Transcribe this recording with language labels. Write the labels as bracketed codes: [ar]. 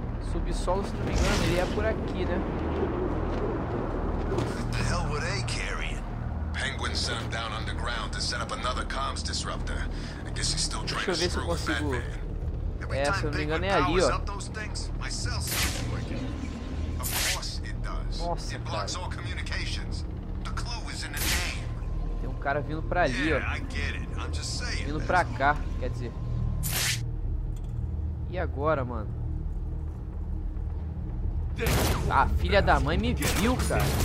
[pt] Subsolo, se não me engano, ele é por aqui, né? [en] What the hell were they carrying? Penguin sent down underground to set up another comms disruptor. I guess he's still trying to screw with Batman. Every time Penguin powers up those things, my cell starts working. Of course it does. [pt] Nossa, [en] it blocks all communications. The clue is in the name. [pt] Tem um cara vindo pra ali, ó. Vindo pra cá, quer dizer. E agora, mano? A filha da mãe me viu, cara.